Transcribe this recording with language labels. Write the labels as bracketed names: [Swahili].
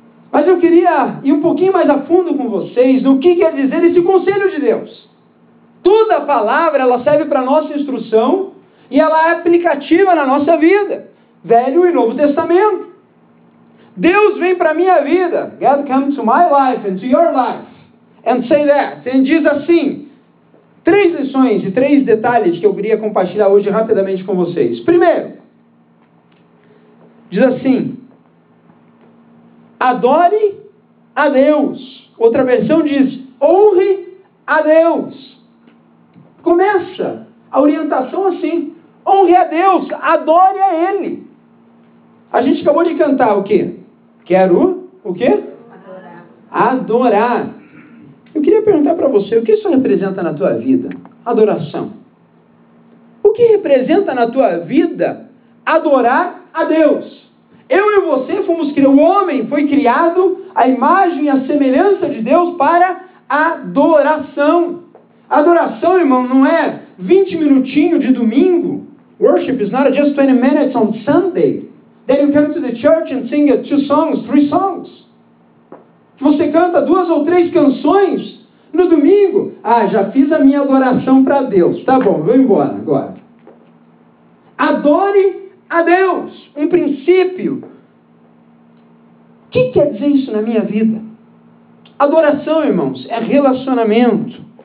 [Portuguese] Mas eu queria ir um pouquinho mais a fundo com vocês no que quer dizer esse conselho de Deus. Toda palavra, ela serve para a nossa instrução e ela é aplicativa na nossa vida. Velho e Novo Testamento. Deus vem para a minha vida. [English] God comes to my life and to your life. And say that. [Portuguese] E diz assim. Três lições e três detalhes que eu queria compartilhar hoje rapidamente com vocês. Primeiro. Diz assim. Adore a Deus. Outra versão diz. Honre a Deus. Começa a orientação assim. Honre a Deus. Adore a Ele. A gente acabou de cantar o quê? Quero o quê? Adorar. Adorar. Eu queria perguntar para você, o que isso representa na tua vida? Adoração. O que representa na tua vida adorar a Deus? Eu e você fomos criados, o homem foi criado à imagem e à semelhança de Deus para adoração. Adoração, irmão, não é 20 minutinhos de domingo. [English] Worship is not just 20 minutes on Sunday. Then you come to the church and sing two songs, three songs. [Portuguese] Você canta duas ou três canções no domingo. Ah, já fiz a minha adoração para Deus. Tá bom, vou embora agora. Adore a Deus. Um princípio. O que quer dizer isso na minha vida? Adoração, irmãos, é relacionamento.